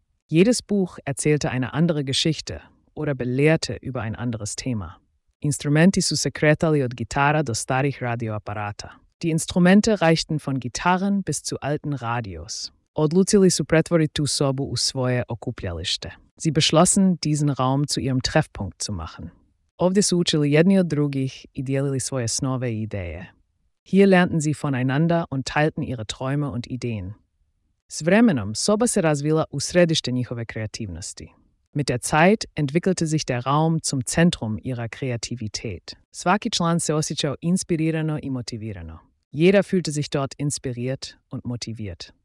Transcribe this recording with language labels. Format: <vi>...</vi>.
<de>Jedes Buch erzählte eine andere Geschichte oder belehrte über ein anderes Thema.</de> <hr>Instrumenti su se kretali od gitara do starih radioaparata.</hr> <de>Die Instrumente reichten von Gitarren bis zu alten Radios.</de> <hr>Odlucili su pretvoriti tu sobu u svoje okupljalište.</hr> <de>Sie beschlossen, diesen Raum zu ihrem Treffpunkt zu machen.</de> <hr>Ovdje su učili jedni od drugih i dijelili svoje snove i ideje.</hr> <de>Hier lernten sie voneinander und teilten ihre Träume und Ideen.</de> <hr>S vremenom soba se razvila u središte njihove kreativnosti.</hr> <de>Mit der Zeit entwickelte sich der Raum zum Zentrum ihrer Kreativität.</de> <hr>Svaki član se osjećao inspirirano i motivirano.</hr> <de>Jeder fühlte sich dort inspiriert und motiviert.</de>